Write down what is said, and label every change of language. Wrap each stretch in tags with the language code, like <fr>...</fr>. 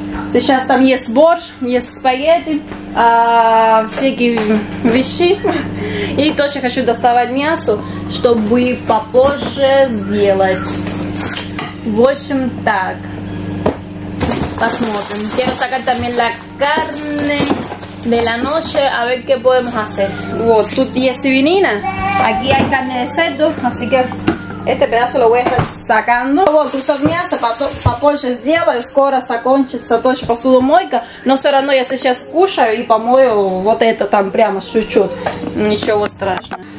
<ru>Сейчас там есть борщ, есть спагетти, всякие вещи. И тоже хочу доставать мясо, чтобы попозже сделать. В общем, так. Посмотрим.</ru> <es>Quiero sacar también la carne de la noche, a ver qué podemos hacer.</es> <ru>Вот, тут есть свинина.</ru> <es>Aquí hay carne de cerdo, así que este pedazo lo voy a estar sacando.</es> <ru>Вот, кусок мяса попозже сделаю, скоро закончится тоже посудомойка, но все равно я сейчас кушаю и помою вот это там прямо чуть-чуть, ничего страшного.</ru>